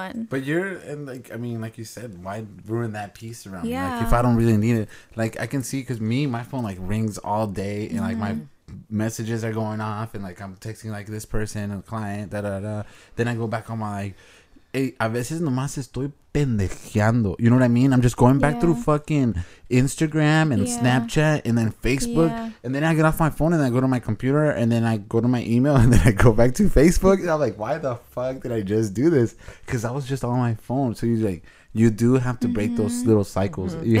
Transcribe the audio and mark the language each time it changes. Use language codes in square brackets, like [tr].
[en] But you're, and like, I mean, like you said, why ruin that peace around me? Like, if I don't really need it, like, I can see, because my phone, like, rings all day and, like, my messages are going off and, like, I'm texting, like, this person, a client, da, da, da. Then I go back on my, like, hey, [es] a veces nomás estoy pendejeando. [en] You know what I mean? I'm just going back through fucking Instagram and Snapchat and then Facebook. Yeah. And then I get off my phone and I go to my computer and then I go to my email and then I go back to Facebook. And I'm like, why the fuck did I just do this? Because I was just on my phone. So you're like, you do have to break those little cycles. Mm-hmm.